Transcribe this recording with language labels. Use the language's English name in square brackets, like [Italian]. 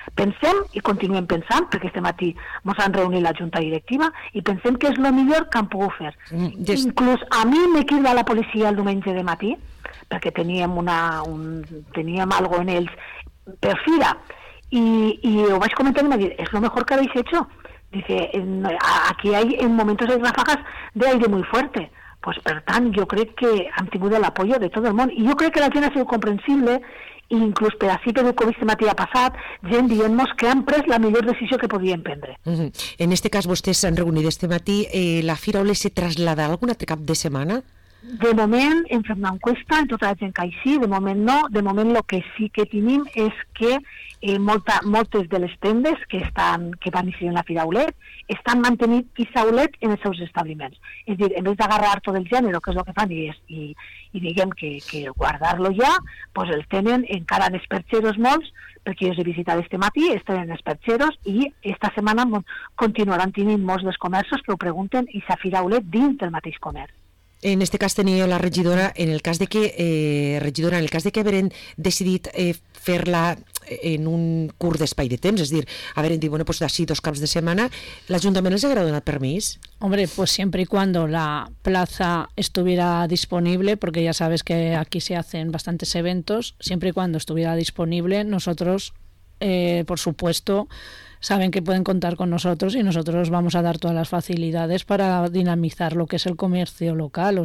[Catalan] Pensem i continuem pensant, perquè este matí ens han reunit la Junta Directiva, i pensem que és el millor que han pogut fer. Inclús a mi m'he cridat la policia el diumenge de matí, perquè teníem algo en ells per fira, i ho vaig comentar i m'ha dit, és el millor que havies fet? [Spanish] Dice, aquí hay en momentos de ráfagas de aire muy fuerte. [Catalan] Pues, per tant, jo crec que hem tingut l'apoio de tot el món. I jo crec que la gent ha sigut comprensible, i inclús per així, per el Covid que m'havia passat, gent dient-nos que han pres la millor decisió que podien prendre. Mm-hmm. En este cas, vostès s'han reunit este matí. La Fira Olet se traslladarà algun altre cap de setmana? De moment, en fer una enquesta, en tota la gent que hi sí, de moment no. De moment, el que sí que tenim és que moltes de les tendes que van ser en la Fira Olet estan mantenint Fira Olet en els seus establiments. És a dir, en lloc d'agarrar tot el gènere, que és el que fan, i diguem que guardar-lo ja, pues el tenen encara en els perxeros molts, perquè jo els he visitat este matí, estan en els perxeros, i esta setmana continuaran tenint molts dels comerços que ho pregunten i la Fira Olet dins del mateix comerç. En este cas tenia la regidora, en el cas de que regidora, en el cas de que haveren decidit fer-la en un curt d'espai de temps, és a dir, haveren dit, bueno, pues d'ací dos caps de setmana, l'Ajuntament els haurà donat permís? [Spanish] Hombre, pues siempre y cuando la plaza estuviera disponible, porque ya sabes que aquí se hacen bastantes eventos, siempre y cuando estuviera disponible, nosotros, por supuesto, saben que pueden contar con nosotros y nosotros vamos a dar todas las facilidades para dinamizar lo que es el comercio local.